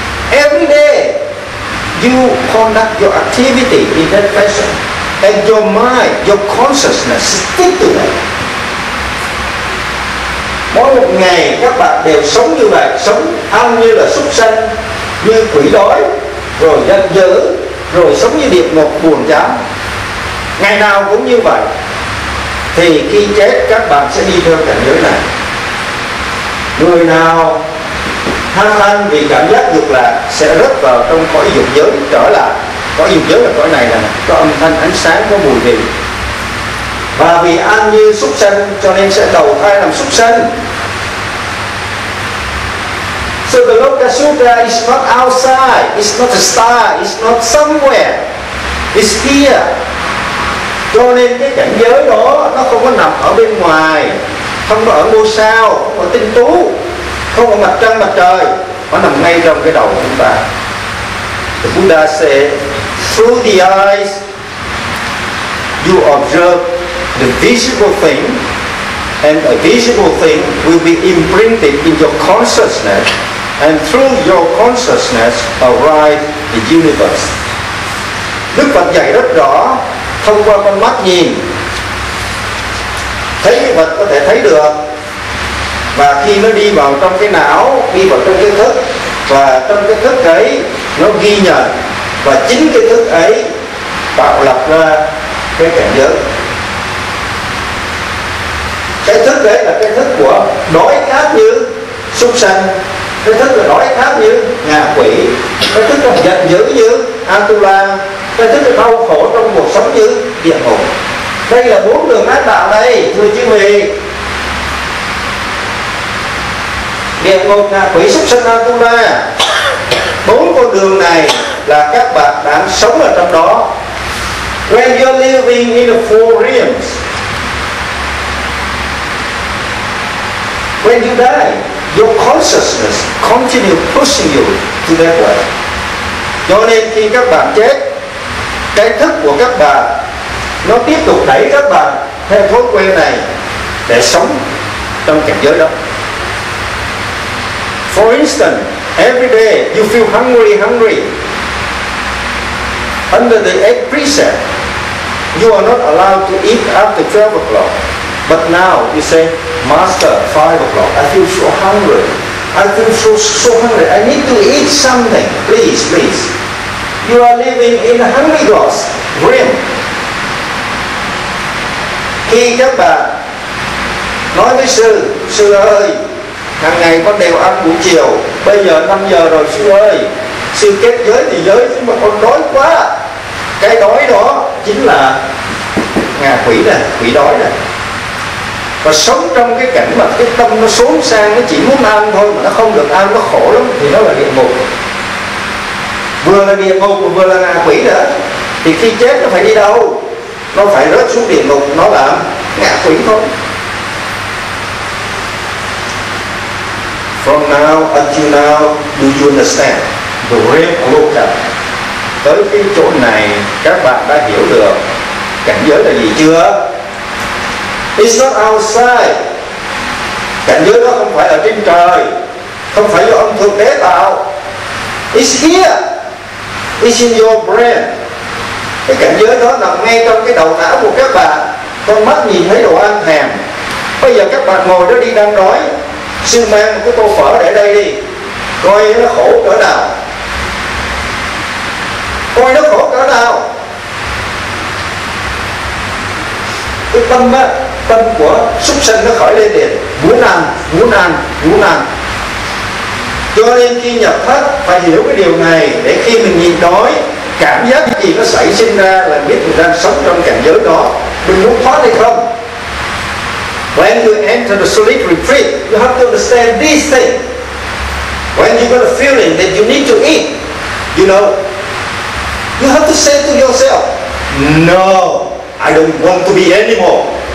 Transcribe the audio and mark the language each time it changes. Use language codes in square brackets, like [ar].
[en] Every day, you conduct your activity in that fashion, and your mind, your consciousness stick to that. [vi] Mỗi một ngày các bạn đều sống như vậy, sống ăn như là súc sanh, như quỷ đói, rồi giận dữ, rồi sống như địa ngục buồn chán. Ngày nào cũng như vậy. Thì khi chết các bạn sẽ đi theo cảnh giới này. Người nào tham lam vì cảm giác dục lạc sẽ rớt vào trong cõi dục giới trở lại. Cõi dục giới là cõi này nè, có âm thanh ánh sáng, có mùi vị. Và vì ăn như súc sanh cho nên sẽ đầu thai làm súc sanh. [en] So the Loka Sutra is not outside, it's not a star, it's not somewhere, it's here. [vi] Cho nên cái cảnh giới đó nó không có nằm ở bên ngoài, không có ở ngôi sao, không có tinh tú, không có mặt trăng mặt trời, nó nằm ngay trong cái đầu của chúng ta. [en] The Buddha said, through the eyes you observe the visible thing, and a visible thing will be imprinted in your consciousness, and through your consciousness arrive the universe. [vi] Đức Phật dạy rất rõ, thông qua con mắt nhìn, thấy vật có thể thấy được, và khi nó đi vào trong cái não, đi vào trong cái thức, và trong cái thức ấy nó ghi nhận, và chính cái thức ấy tạo lập ra cái cảnh giới. Cái thức đấy là cái thức của đói khát như súc sanh, cái thức là đói khát như ngạ quỷ, cái thức là giận dữ như atula, cái thức là đau khổ trong cuộc sống như địa ngục. Đây là bốn đường ác đạo đây, thưa chư vị. Địa ngục, ngạ quỷ, súc sanh, atula. Bốn con đường này là các bạn đang sống ở trong đó. [en] When you're living in the four realms, when you die, your consciousness continue pushing you to that way. [vi] Cho nên khi các bạn chết, cái thức của các bạn nó tiếp tục đẩy các bạn theo thói quen này để sống trong cảnh giới đó. [en] For instance, every day you feel hungry, hungry. Under the eight precept, you are not allowed to eat after 12 o'clock. But now you say, Master, 5 o'clock, I feel so hungry. I feel so, so hungry. I need to eat something. Please, please. You are living in a hungry God's realm. [vi] Khi các bạn nói với sư, sư ơi, hàng ngày con đều ăn buổi chiều, bây giờ 5 giờ rồi sư ơi, sư kết giới thì giới, nhưng mà con đói quá. Cái đói đó chính là ngà quỷ này, quỷ đói này. Và sống trong cái cảnh mà cái tâm nó xuống sang, nó chỉ muốn ăn thôi mà nó không được ăn, nó khổ lắm, thì nó là địa ngục. Vừa là địa ngục vừa là ngà quỷ nữa, thì khi chết nó phải đi đâu? Nó phải rớt xuống địa ngục, nó là ngà quỷ thôi. [en] From now until now, do you understand the realm of Loka? [vi] Tới cái chỗ này các bạn đã hiểu được cảnh giới là gì chưa? [en] It's not outside. [vi] Cảnh giới đó không phải ở trên trời, không phải do âm thượng đế tạo. [en] It's here. It's in your brain. [vi] Cái cảnh giới đó nằm ngay trong cái đầu não của các bạn. Con mắt nhìn thấy đồ ăn thèm. Bây giờ các bạn ngồi đó đi đang đói, sư mang một cái tô phở để đây đi, coi nó khổ cỡ nào. Coi nó khổ cỡ nào. Cái tâm á, tâm của súc sanh nó khởi lên liền, muốn ăn, muốn ăn, muốn ăn. Cho nên khi nhập thất phải hiểu cái điều này, để khi mình nhìn đói, cảm giác gì nó xảy sinh ra là biết mình đang sống trong cảnh giới đó, mình muốn thoát hay không. [en] When you enter the solid retreat, you have to understand this thing. When you got a feeling that you need to eat, you know, you have to say to yourself, no, I don't want to be anymore.